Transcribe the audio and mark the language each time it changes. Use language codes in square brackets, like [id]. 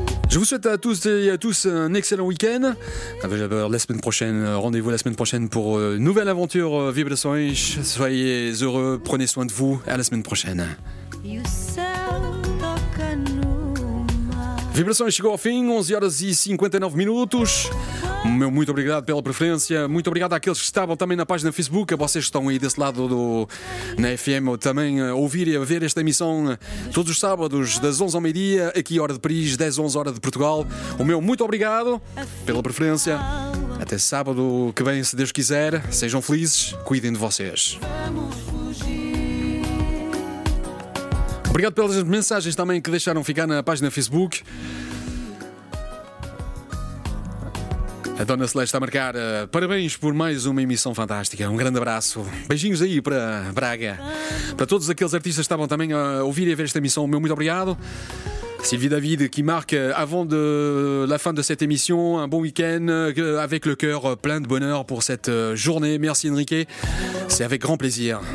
[fr] Je vous souhaite à tous et à tous un excellent week-end. La semaine prochaine, rendez-vous la semaine prochaine pour une nouvelle aventure Vibrações. Soyez heureux, prenez soin de vous. À la semaine prochaine. [pt] Vibrações chegou ao fim, 11 horas e 59 minutos. Muito obrigado pela preferência. Muito obrigado àqueles que estavam também na página Facebook. A vocês que estão aí desse lado na FM também a ouvir e a ver esta emissão todos os sábados, das 11 ao meio-dia, aqui, hora de Paris, 10, 11, hora de Portugal. O meu muito obrigado pela preferência. Até sábado que vem, se Deus quiser. Sejam felizes, cuidem de vocês. Obrigado pelas mensagens também que deixaram ficar na página Facebook. A Dona Celeste está a marcar parabéns por mais uma emissão fantástica. Um grande abraço. Beijinhos aí para Braga. Para todos aqueles artistas que estavam também a ouvir e a ver esta emissão, o meu muito obrigado. [fr] Sylvie David qui marque, avant de la fin de cette émission, un bon week-end avec le cœur plein de bonheur pour cette journée. Merci Enrique, c'est avec grand plaisir.